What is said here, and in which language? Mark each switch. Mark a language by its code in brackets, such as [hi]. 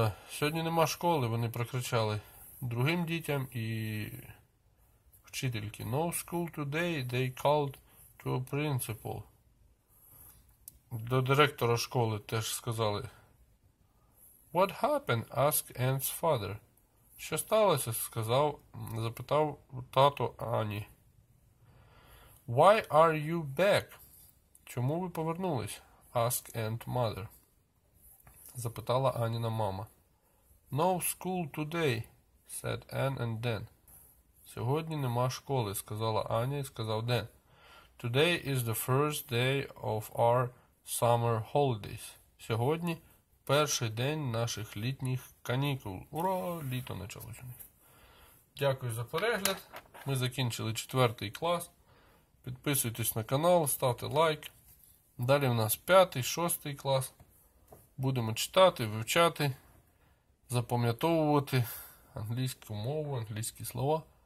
[uk] Сьогодні нема школи, вони прокричали другим дітям і вчительки. [en] No school today, they called to a principal. [uk] До директора школи теж сказали. [en] What happened? Asked Anne's father. [uk] Що сталося? Сказав, запитав тато Ані. [en] Why are you back? [uk] Чому ви повернулись? [en] Asked Anne's mother. [uk] Запитала Аніна мама. [en] No school today, said Anne and Dan. [uk] Сьогодні нема школи, сказала Аня і сказав Дэн. [en] Today is the first day of our summer holidays. [uk] Сьогодні перший день наших літніх канікул. Ура, літо почалося у них. Дякую за перегляд. Ми закінчили 4 клас. Підписуйтесь на канал, ставте лайк. Далі в нас 5, 6 клас. Будемо читати, вивчати, запам'ятовувати англійську мову, англійські слова.